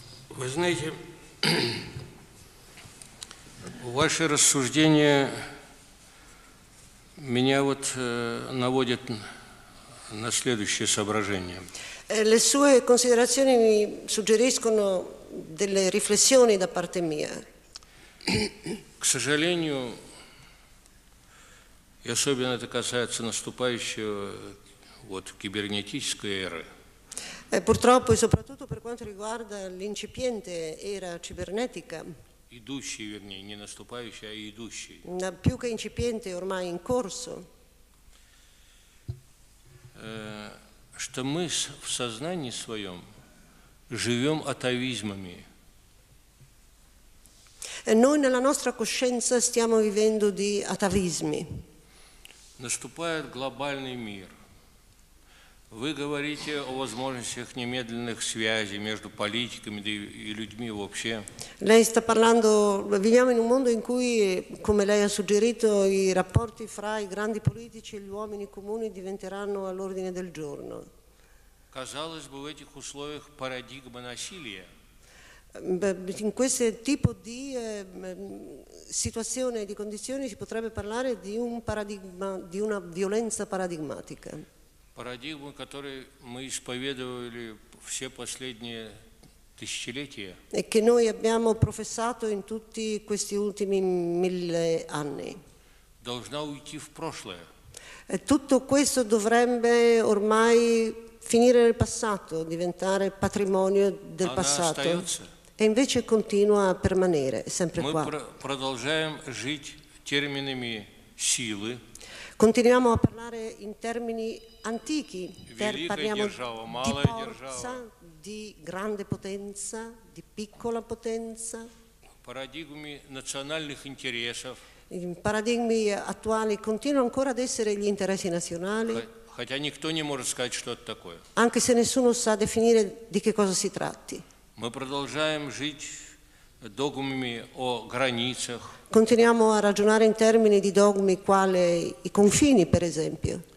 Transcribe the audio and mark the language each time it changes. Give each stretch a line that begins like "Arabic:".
Russian: Вы знаете, ваши рассуждения меня вот наводят на следующее соображение.
Italian: Le sue considerazioni mi suggeriscono delle riflessioni da parte mia.
Russian: К сожалению, и особенно это касается наступающего вот кибернетической эры.
Italian: Purtroppo
Russian: и
Italian: soprattutto per quanto riguarda l'incipiente era cibernetica.
Russian: Идущий, вернее, не наступающий, а идущий. На
Italian: più che incipiente ormai in corso.
Russian: Что мы в сознании своем живем атавизмами.
Italian: Noi nella nostra coscienza stiamo vivendo di atavismi.
Russian: Наступает глобальный мир. Вы говорите о возможностях немедленных связей между политиками и людьми вообще.
Italian: Lei sta parlando, viviamo in un mondo in cui, come lei ha suggerito, i rapporti fra i grandi politici e gli uomini comuni diventeranno all'ordine del giorno.
Russian: Казалось бы, в этих условиях парадигма насилия.
Italian: In questo tipo di situazione e di condizioni si potrebbe parlare di un paradigma, di una violenza paradigmatica. Paradigma che noi
Russian: исповедовали все последние тысячелетия.
Italian: E che noi abbiamo professato in tutti questi ultimi mille anni.
Russian: Должна уйти в прошлое.
Italian: Tutto questo dovrebbe ormai finire nel passato, diventare patrimonio del passato. E invece continua a permanere sempre
Russian: Мы
Italian: qua.
Russian: Продолжаем жить терминами силы.
Italian: Continuiamo a parlare in termini antichi, parliamo
Russian: держава,
Italian: di forza,
Russian: держава.
Italian: Di grande potenza, di piccola potenza.
Russian: Парадигмы национальных интересов.
Italian: I paradigmi attuali continuano ancora ad essere gli interessi nazionali.
Russian: Хотя никто не может сказать, что это такое.
Italian: Anche se nessuno sa definire di che cosa si tratti.
Russian: Мы продолжаем жить догмами о границах.
Italian: Continuiamo a ragionare in termini di dogmi, quale i confini, per esempio.